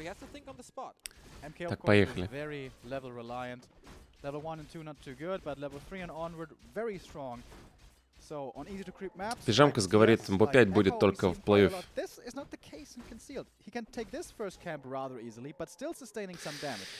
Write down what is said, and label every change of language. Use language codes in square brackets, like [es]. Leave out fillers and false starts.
[en] He has to think on the spot. MK of course is very level reliant. Level 1 and 2 not too good, but level 3 and onward very strong. So on easy to creep maps. [ru] Пижамкас говорит, МБ5 будет только в плей-офф. [en] This is not the case in concealed. He can take this first camp rather easily, but still sustaining some damage.